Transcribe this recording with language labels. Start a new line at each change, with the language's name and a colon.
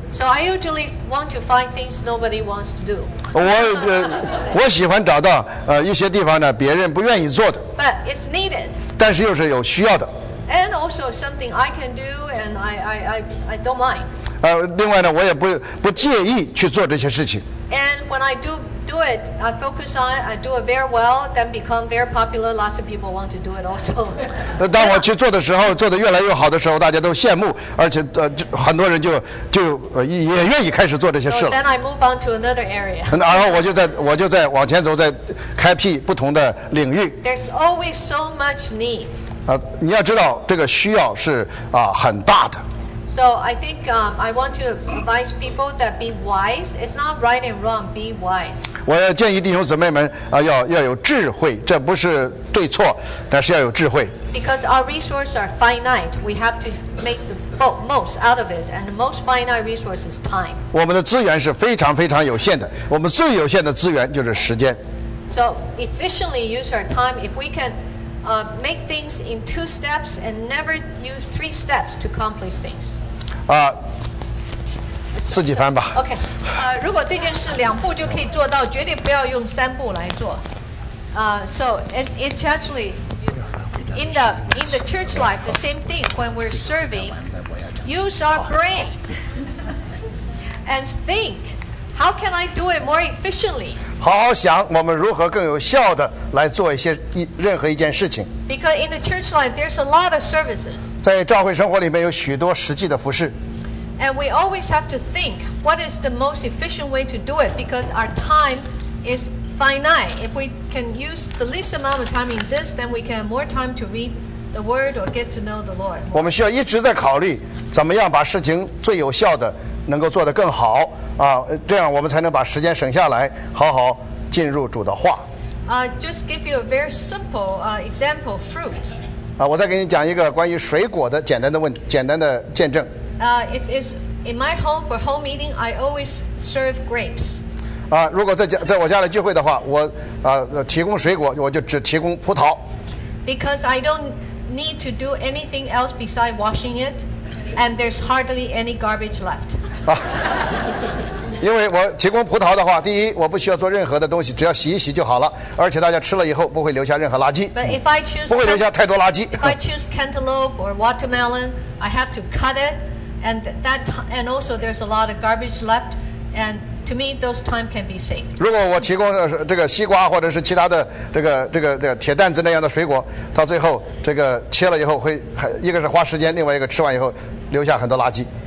English: So I usually want to find things nobody wants to do.
Chinese: 我喜欢找到一些地方呢别人不愿意做的。
English: But it's needed.
Chinese: 但是又是有需要的。
English: And also something I can do and I don't mind.
Chinese: 另外呢我也不介意去做这些事情。
English: And when I do it, I focus on it, I do it very well, then become very popular, lots of people want to do it also.
Chinese: 当我去做的时候做得越来越好的时候大家都羡慕，而且很多人就也愿意开始做这些事了。
English: So then I move on to another area.
Chinese: 然后我就在往前走，在开辟不同的领域。
English: There's always so much need.
Chinese: 你要知道这个需要是很大的。
English: So I think I want to advise people that be wise. It's not right and wrong. Be wise.
Chinese: 我要建议弟兄姊妹们要有智慧，这不是对错，但是要有智慧。
English: Because our resources are finite, we have to make the most out of it, and the most finite resource is time.
Chinese: 我们的资源是非常非常有限的，我们最有限的资源就是时间。
English: So efficiently use our time if we can. Make things in two steps and never use three steps to accomplish things.
Chinese: 自己翻吧。 OK， 如果这件事两步就可以做到，绝对不要用三步来做。
English: So it actually in the church life, the same thing. When we're serving, use our brain and think. How can I do it more efficiently?
Chinese: 好好想我们如何更有效地来做任何一件事情。
English: Because in the church life, there's a lot of services.
Chinese: 在教会生活里面有许多实际的服事。
English: And we always have to think, what is the most efficient way to do it? Because our time is finite. If we can use the least amount of time in this, then we can have more time to read the word or get to know the Lord.
Chinese: 我们需要一直在考虑怎么样把事情最有效地能够做得更好啊，这样我们才能把时间省下来，好好进入主的话。
English: Just give you a very simple example, fruit.
Chinese: 我再给你讲一个关于水果的简单的见证。
English: If it's in my home for home meeting, I always serve grapes.
Chinese: 如果在我家里聚会的话，我提供水果，我就只提供葡萄。
English: Because I don't need to do anything else besides washing it. And there's hardly any garbage left.
Chinese: 因为我提供葡萄的话，第一，我不需要做任何的东西，只要洗一洗就好了，而且大家吃了以后不会留下任何垃圾。
English: But if I choose,
Chinese: 不会留下太多垃圾。
English: If I choose cantaloupe or watermelon, I have to cut it, and that, and also there's a lot of garbage left, and to me those time can be saved.
Chinese: 如果我提供这个西瓜或者是其他的这个铁蛋子那样的水果，到最后这个切了以后会一个是花时间，另外一个吃完以后留下很多垃圾。